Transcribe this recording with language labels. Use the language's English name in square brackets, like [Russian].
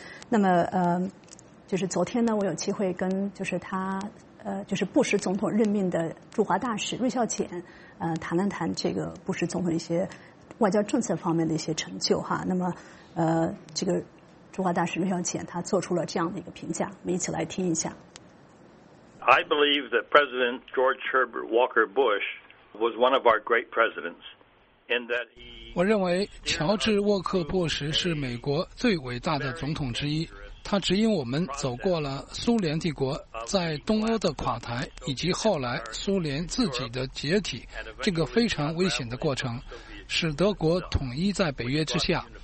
[Chinese] 那么就是昨天呢，我有机会跟就是他就是布什总统任命的驻华大使芮孝潜谈了谈这个布什总统一些外交政策方面的一些成就哈。那么这个驻华大使芮孝潜他做出了这样的一个评价，我们一起来听一下。 [English] I believe that President George Herbert Walker Bush was one of our great presidents, in that he. [Chinese] 我认为乔治·沃克·布什是美国最伟大的总统之一。他指引我们走过了苏联帝国在东欧的垮台，以及后来苏联自己的解体这个非常危险的过程，使德国统一在北约之下。